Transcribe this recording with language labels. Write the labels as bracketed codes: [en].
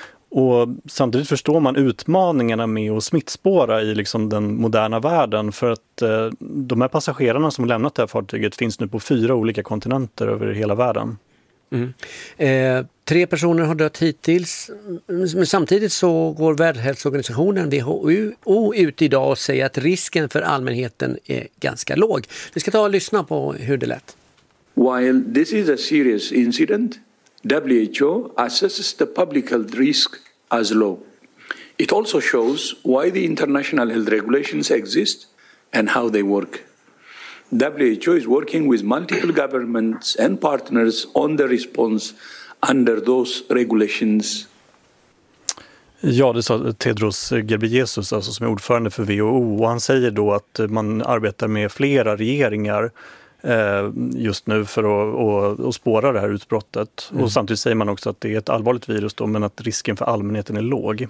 [sv] Och samtidigt förstår man utmaningarna med att smittspåra i liksom den moderna världen, för att de här passagerarna som har lämnat det här fartyget finns nu på 4 olika kontinenter över hela världen. Mm. 3 personer har dött hittills, men samtidigt så går Världshälsoorganisationen WHO ut idag och säger att risken för allmänheten är ganska låg. Vi ska ta och lyssna på hur det lät. [en] While this is a serious incident, WHO assesses the public health risk as low. It also shows why the international health regulations exist and how they work. WHO is working with multiple governments and partners on the response under those regulations. [sv] Ja, det sa Tedros Ghebreyesus, alltså som är ordförande för WHO. Och han säger då att man arbetar med flera regeringar just nu för att spåra det här utbrottet. Mm. Och samtidigt säger man också att det är ett allvarligt virus då, men att risken för allmänheten är låg.